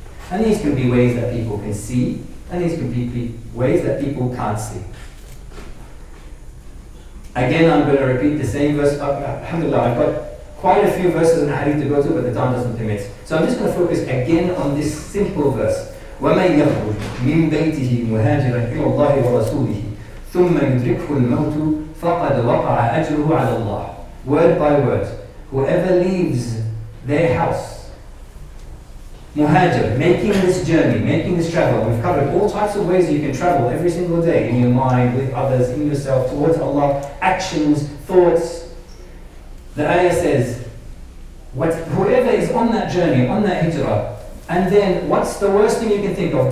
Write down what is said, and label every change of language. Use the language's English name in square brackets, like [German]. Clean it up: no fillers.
[English] And these can be ways that people can see. And these can be ways that people can't see. Again, I'm going to repeat the same verse. Alhamdulillah, I've got quite a few verses in the hadith to go to, but the time doesn't permit. So I'm just going to focus again on this simple verse. [Arabic] ومن يخرج من بيته مهاجرا الى الله ورسوله ثم يدركه الموت فقد وقع اجره على الله. [English] Word by word. Whoever leaves their house, muhajir, making this journey, making this travel, we've covered all types of ways you can travel every single day in your mind, with others, in yourself, towards Allah, actions, thoughts. The ayah says, whoever is on that journey, on that hijrah, and then what's the worst thing you can think of?